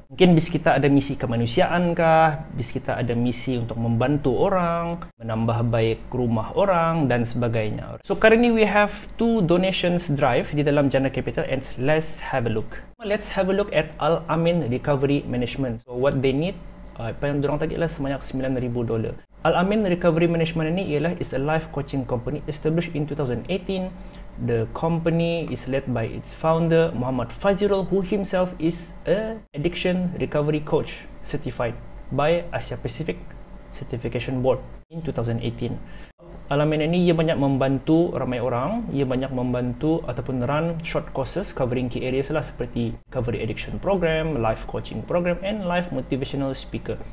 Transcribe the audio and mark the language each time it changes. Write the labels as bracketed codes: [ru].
[ms] Mungkin bis kita ada misi kemanusiaan kah, bis kita ada misi untuk membantu orang, menambah baik rumah orang dan sebagainya. [en] So currently we have two donations drive di dalam Janda Capital, and let's have a look. Let's have a look at Al Amin Recovery Management. [ms] So what they need, apa yang diorang tadi ialah sebanyak $9,000. [en] Al Amin Recovery Management ini ialah is a life coaching company established in 2018. The company is led by its founder, Muhammad Fazirul, who himself is a addiction recovery coach certified by Asia Pacific Certification Board in 2018. Al Amin ini ia banyak membantu ramai orang, ia banyak membantu ataupun run short courses covering key areas lah seperti recovery addiction program, life coaching program and life motivational speaker.